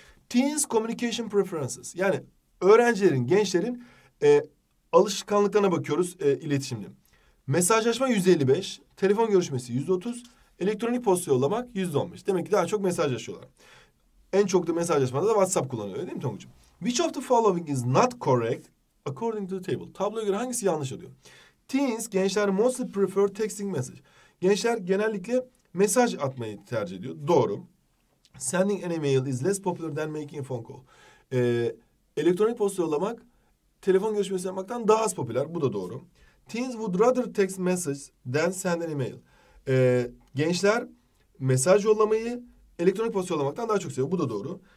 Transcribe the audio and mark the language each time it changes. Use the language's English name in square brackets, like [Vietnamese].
[English] Teens communication preferences. [Turkish] Yani öğrencilerin, gençlerin alışkanlıklarına bakıyoruz iletişimde. Mesajlaşma %55, telefon görüşmesi %30, elektronik posta yollamak %15. Demek ki daha çok mesajlaşıyorlar. En çok da mesajlaşmada da WhatsApp kullanıyor, öyle değil mi Tonguç'um? [English] Which of the following is not correct according to the table? [Turkish] Tabloya göre hangisi yanlış oluyor? [English] Teens, [Turkish] gençler [English] mostly prefer texting message. [Turkish] Gençler genellikle mesaj atmayı tercih ediyor. Doğru. [English] Sending an email is less popular than making a phone call. [Turkish] Elektronik posta yollamak, telefon görüşmesi yapmaktan daha az popüler. Bu da doğru. [English] Teens would rather text message than send an email. [Turkish] Gençler mesaj yollamayı elektronik posta yollamaktan daha çok seviyor. Bu da doğru.